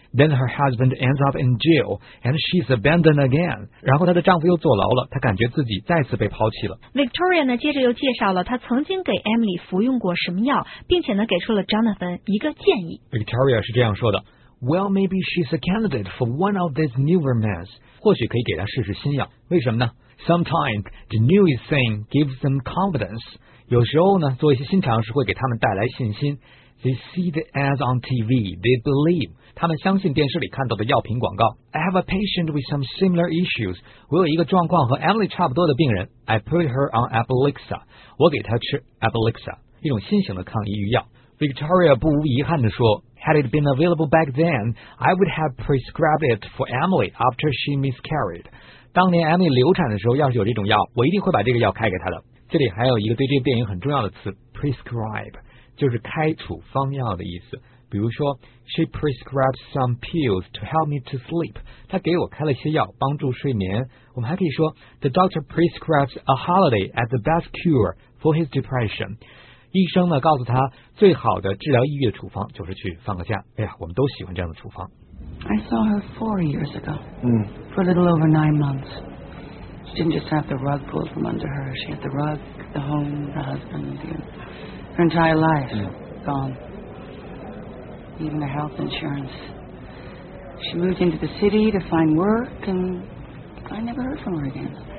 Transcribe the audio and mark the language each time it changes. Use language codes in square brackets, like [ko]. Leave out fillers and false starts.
[en] Then her husband ends up in jail and she's abandoned again. [zh] 然后她的丈夫又坐牢了，她感觉自己再次被抛弃了。 Victoria 呢，接着又介绍了她曾经给 Emily 服用过什么药，并且呢，给出了 Jonathan 一个建议。 [en] Victoria [zh] 是这样说的 [en] ：Well, maybe she's a candidate for one of these newer meds. [zh] 或许可以给她试试新药。为什么呢 [en] ？Sometimes the newest thing gives them confidence. [zh] 有时候呢，做一些新尝试会给他们带来信心。 [en] They see the ads on TV. They believe. [zh] 他们相信电视里看到的药品广告。 [en] I have a patient with some similar issues. [zh] 我有一个状况和 Emily 差不多的病人。 [en] I put her on Abilixa. [zh] 我给她吃 Abilixa， 一种新型的抗抑郁药。 [en] Victoria [zh] 不无遗憾地说 [en] ，Had it been available back then, I would have prescribed it for Emily after she miscarried. [zh] 当年 Emily 流产的时候，要是有这种药，我一定会把这个药开给她的。这里还有一个对这个电影很重要的词 ，prescribe。就是开处方药的意思，比如说 ， [en] she prescribed some pills to help me to sleep， [zh] 她给我开了些药帮助睡眠。我们还可以说 ， [en] the doctor prescribes a holiday as the best cure for his depression。 [zh] 医生呢告诉他，最好的治疗抑郁的处方就是去放个假。哎呀，我们都喜欢这样的处方。 [en] I saw her 4 years ago. 嗯，for a little over 9 months. She didn't just have the rug pulled from under her. She had the rug, the home, the husband. Her entire life gone. Even her health insurance. She moved into the city to find work, and I never heard from her again.